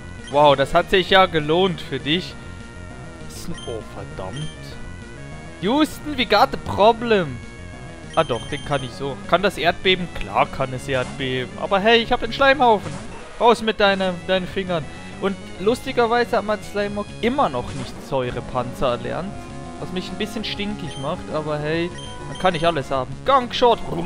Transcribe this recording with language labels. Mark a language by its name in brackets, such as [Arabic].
[German] Wow, das hat sich ja gelohnt für dich. Oh, verdammt. [English] Houston, we got a problem. [German] Ah doch, den kann ich so. Kann das Erdbeben? Klar kann es Erdbeben. Aber hey, ich habe den Schleimhaufen. Raus mit deinen Fingern. Und lustigerweise hat mein Slimog immer noch nicht Säurepanzer erlernt. Was mich ein bisschen stinkig macht. Aber hey, dann kann ich alles haben. Gangshot.